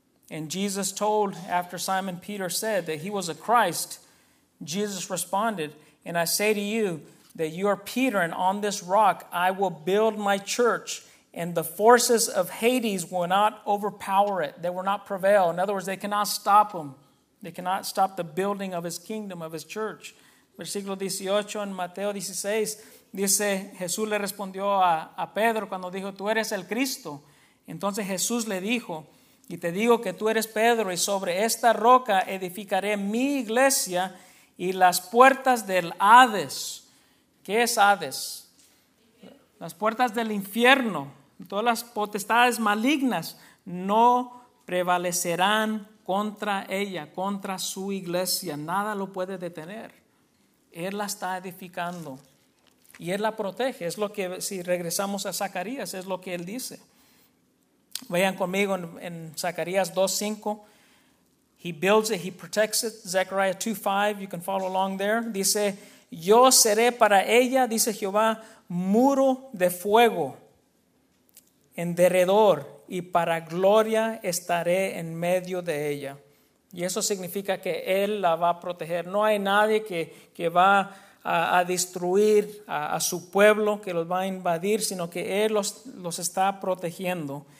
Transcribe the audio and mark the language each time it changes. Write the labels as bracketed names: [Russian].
[English] And Jesus told, after Simon Peter said that he was a Christ, Jesus responded, and I say to you that you are Peter, and on this rock I will build my church, and the forces of Hades will not overpower it. They will not prevail. In other words, they cannot stop him. They cannot stop the building of his kingdom, of his church. [Spanish] Versículo 18 en Mateo 16 dice, Jesús le respondió a Pedro cuando dijo, tú eres el Cristo. Entonces Jesús le dijo, y te digo que tú eres Pedro, y sobre esta roca edificaré mi iglesia, y las puertas del Hades. ¿Qué es Hades? Las puertas del infierno, todas las potestades malignas, no prevalecerán contra ella, contra su iglesia. Nada lo puede detener. Él la está edificando y él la protege. Es lo que, si regresamos a Zacarías, es lo que él dice. Vayan conmigo en Zacarías 2:5. [English] He builds it, he protects it. Zechariah 2:5, you can follow along there. [Spanish] Dice, yo seré para ella, dice Jehová, muro de fuego en derredor, y para gloria estaré en medio de ella. Y eso significa que él la va a proteger. No hay nadie que va a destruir a su pueblo, que los va a invadir, sino que él los está protegiendo.